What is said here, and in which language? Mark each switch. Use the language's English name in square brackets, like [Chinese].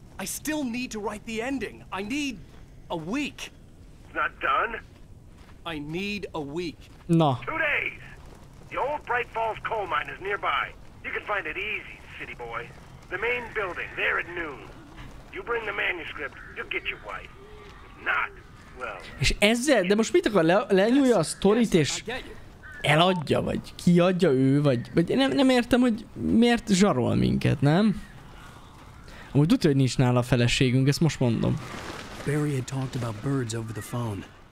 [English] I still need to write the ending. I need... a week. It's not done? I need a week. No. 2 days! The old Bright Falls coal mine is nearby. You can find it easy, city boy. The main building, there at noon. You bring the manuscript, you'll get your wife. If not, well... [Hungarian] És ezzel, de most mit akar? Lenyúlja a sztorit és... Eladja, vagy kiadja ő, vagy... Vagy nem értem, hogy miért zsarol minket, nem? Amúgy tudja, hogy nincs nála a feleségünk, ezt most mondom. [English] Barry had talked about birds over the phone.